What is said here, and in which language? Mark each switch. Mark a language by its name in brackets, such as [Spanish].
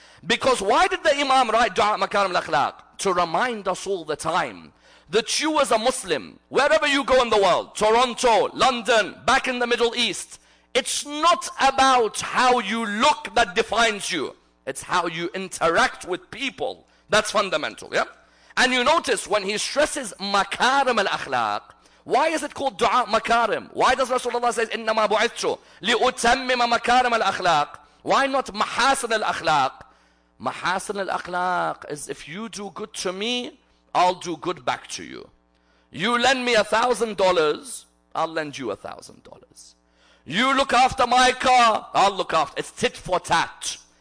[English] Because why did the Imam write dua makarim al-akhlaq? To remind us all the time that you as a Muslim, wherever you go in the world, Toronto, London, back in the Middle East, it's not about how you look that defines you. It's how you interact with people. That's fundamental, yeah? And you notice when he stresses makarim al-akhlaq, why is it called dua makarim? Why does Rasulullah say, [Arabic] إِنَّمَا بُعِثْتُ لِأُتَمِّمَ مَكَارِمَ الْأَخْلَاقِ? [English] Why not mahasin al-akhlaq? Mahasin al-akhlaq is if you do good to me, I'll do good back to you. You lend me $1,000, I'll lend you $1,000. You look after my car, I'll look after. It's tit for tat.